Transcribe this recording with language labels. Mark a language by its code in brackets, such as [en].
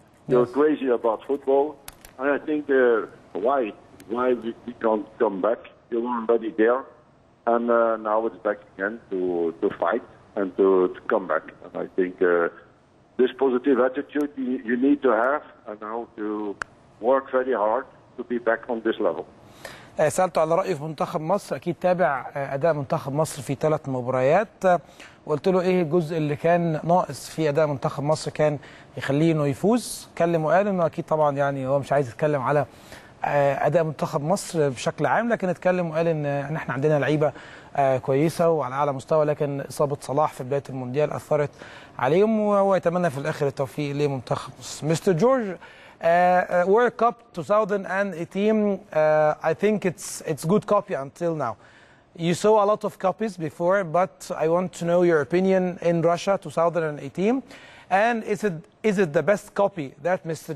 [en] You're crazy about football. And I think why we can't come back. You were already there, and now it's back again to fight and to come back. And I think this positive attitude you need to have, and now to work very hard to be back on this level. [ar] سألته على رأيه في منتخب مصر، أكيد تابع أداء منتخب مصر في ثلاث مباريات، وقلت له إيه الجزء اللي كان ناقص في أداء منتخب مصر كان يخليه إنه يفوز. كلم وقال إنه أكيد طبعا يعني هو مش عايز يتكلم على اداء منتخب مصر بشكل عام، لكن اتكلم وقال ان احنا عندنا لعيبه كويسه وعلى اعلى مستوى، لكن اصابه صلاح في بدايه المونديال اثرت عليهم، وهو يتمنى في الاخر التوفيق لمنتخب مصر. [en] Mister George, World Cup 2018 I think it's good copy until now. You saw a lot of copies before, but I want to know your opinion in Russia 2018. And is it the best copy that Mr.